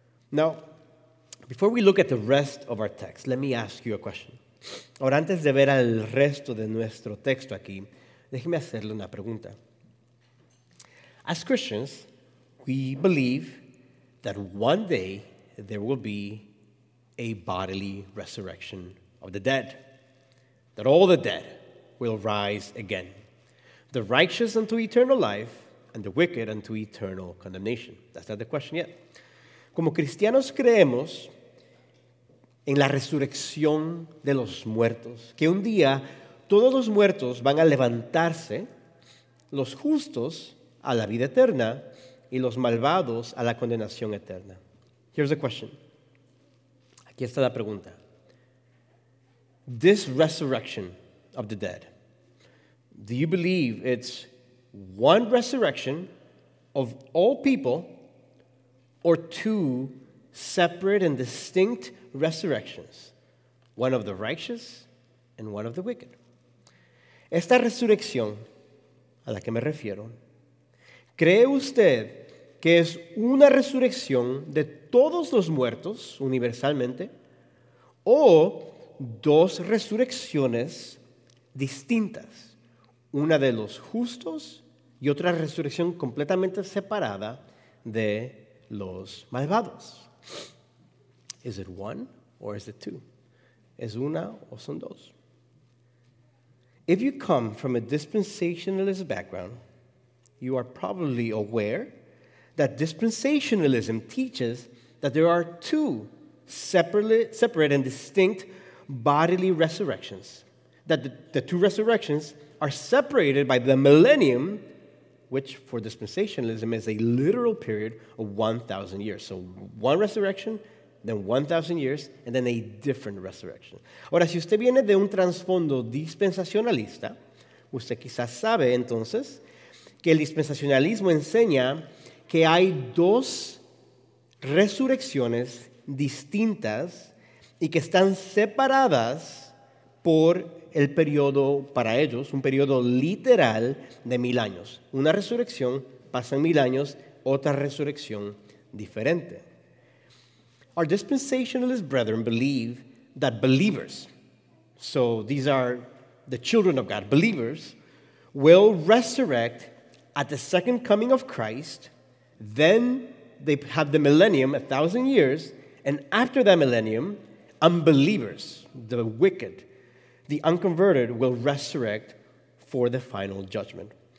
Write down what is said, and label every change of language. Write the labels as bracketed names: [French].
[English] Now, before we look at the rest of our text, let me ask you a question. [Spanish] Ahora, antes de ver al resto de nuestro texto aquí, déjeme hacerle una pregunta. [English] As Christians, we believe that one day there will be a bodily resurrection of the dead, that all the dead will rise again, the righteous unto eternal life and the wicked unto eternal condemnation. That's not the question yet. [Spanish] Como cristianos creemos en la resurrección de los muertos, que un día todos los muertos van a levantarse, los justos a la vida eterna y los malvados a la condenación eterna. [English] Here's the question. [Spanish] Aquí está la pregunta. [English] This resurrection of the dead, do you believe it's one resurrection of all people or two separate and distinct resurrections, one of the righteous and one of the wicked? [Spanish] Esta resurrección a la que me refiero, ¿cree usted que es una resurrección de todos los muertos universalmente o dos resurrecciones distintas, una de los justos y otra resurrección completamente separada de los malvados? ¿Es [English] one or is it two? [Spanish] ¿Es una o son dos? [English] If you come from a dispensationalist background, you are probably aware that dispensationalism teaches that there are two separate and distinct bodily resurrections, that the two resurrections are separated by the millennium, which for dispensationalism is a literal period of 1,000 years. So one resurrection, then 1,000 years, and then a different resurrection. [Spanish] Ahora, si usted viene de un trasfondo dispensacionalista, usted quizás sabe entonces que el dispensacionalismo enseña que hay dos resurrecciones distintas y que están separadas por el periodo, para ellos, un periodo literal de 1,000 años. Una resurrección pasa en 1,000 años, otra resurrección diferente. [English] Our dispensationalist brethren believe that believers, so these are the children of God, believers, will resurrect at the second coming of Christ, then they have the millennium, 1,000 years, and after that millennium, unbelievers, the wicked, the unconverted, will resurrect for the final judgment.